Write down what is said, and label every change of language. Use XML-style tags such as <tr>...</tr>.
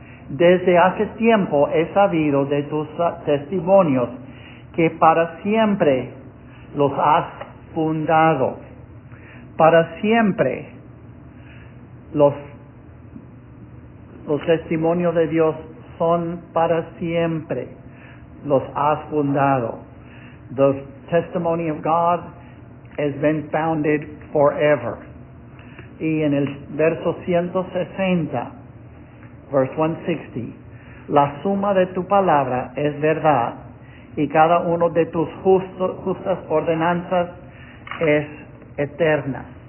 <es>Desde hace tiempo he sabido de tus testimonios que para siempre los has fundado. Para siempre los testimonios de Dios son para siempre. Los has fundado.</es> <en>The testimony of God has been founded forever.</en> <es>Y en el verso 160,</es> <en>verse 160,</en> <es>la suma de tu palabra es verdad, y cada uno de tus justas ordenanzas es eterna.</es>